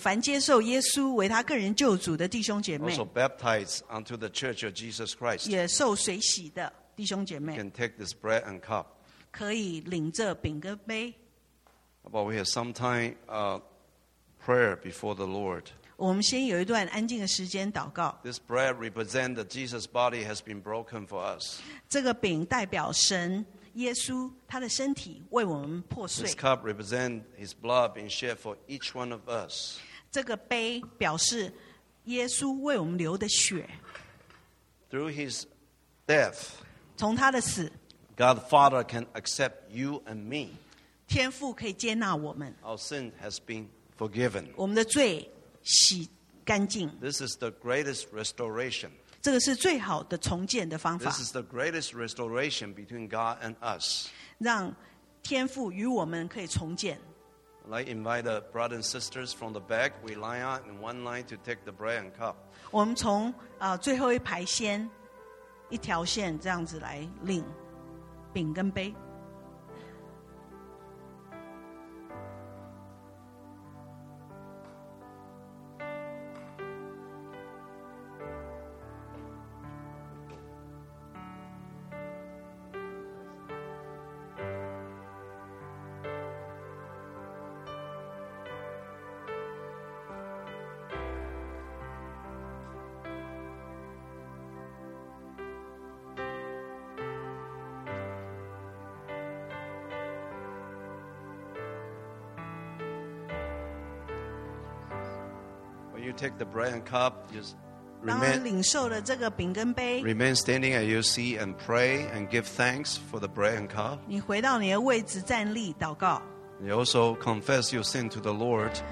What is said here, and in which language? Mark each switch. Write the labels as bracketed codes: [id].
[zh] 我邀请凡接受耶稣为他个人救主的弟兄姐妹, [en] also baptized unto the Church of Jesus Christ, [zh] 也受水洗的弟兄姐妹, [en] can take this bread and cup. [zh] 可以领这饼跟杯。 [en] But we have some time prayer before the Lord. [zh] 我们先有一段安静的时间祷告。 [en] This bread represents that Jesus' body has been broken for us. [zh] 这个饼代表神, 耶稣他的身体为我们破碎。 [en] This cup represents his blood being shed for each one of us. [zh] 这个杯表示耶稣为我们流的血。 [en] Through his death, [zh] 从他的死, [en] God the Father can accept you and me. [zh] 天父可以接纳我们。 [en] Our sin has been forgiven. [zh] 我们的罪洗,干净。 [en] This is the greatest restoration. [zh] 这个是最好的重建的方法。 [en] This is the greatest restoration between God and us. [zh] 让天父与我们可以重建。 [en] I'd like to invite the brothers and sisters from the back. We line up in one line to take the bread and cup. [zh] 我们从最后一排先一条线这样子来领饼跟杯。 [en] Take the bread and cup. Remain standing at your seat and pray and give thanks for the bread and cup. [zh] 你回到你的位置站立祷告。 [en] You also confess your sin to the Lord.